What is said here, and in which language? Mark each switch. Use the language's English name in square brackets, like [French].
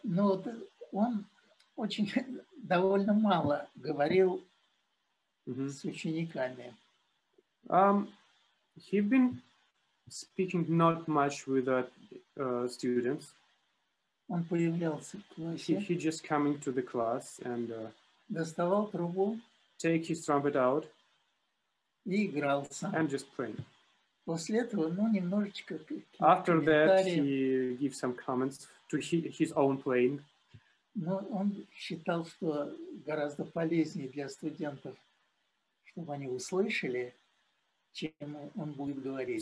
[Russian] Ну, вот он очень довольно мало говорил с учениками. [English] He've been speaking not much with the students. [Russian] Он появлялся в классе. [English] He just coming to the class and [Russian] доставал трубу, [English] take his trumpet out, [Russian] и играл сам. [English] And just playing. After that, he gave some comments to his own plane. [Russian] Но он считал, что гораздо полезнее для студентов, чтобы они услышали, чем он будет говорить.